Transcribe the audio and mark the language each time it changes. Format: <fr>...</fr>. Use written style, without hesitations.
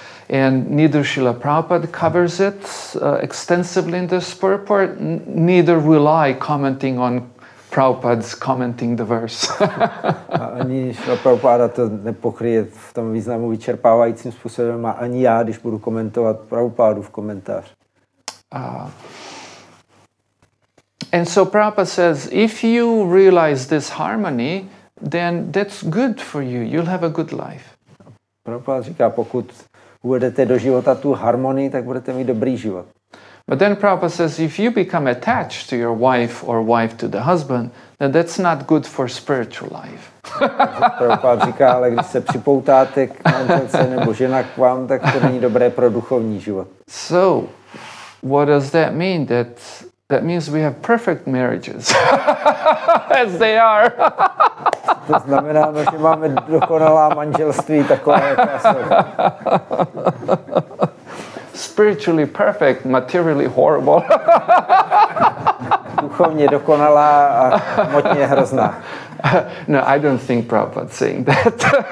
<en>And neither Srila Prabhupada covers it extensively in this purport, neither will I commenting on Prabhupada's commenting the verse.</en> <cs>Ani Srila Prabhupada to nepokryje v tom významu vyčerpávajícím způsobem a ani já, když budu komentovat Prabhupádu v komentář.</cs> <en>And so Prabhupada says, if you realize this harmony, then that's good for you. You'll have a good life.</en> <cs>Prabhupada říká, pokud uvedete do života tu harmonii, tak budete mít dobrý život.</cs> <en>But then Prabhupada says, if you become attached to your wife or wife to the husband, then that's not good for spiritual life.</en> <cs>Prabhupada říká, ale když se připoutáte k manželce nebo žena k vám, tak to není dobré pro duchovní život.</cs> <en>So, what does that mean? That means we have perfect marriages, as they are.</en> <cs>To znamená, že máme dokonalá manželství, takové jaká jsou.</cs> <en>Spiritually perfect, materially horrible.</en> <cs>Duchovně dokonalá a hmotně hrozná.</cs> <en>No, I don't think Prabhupada saying that.</en>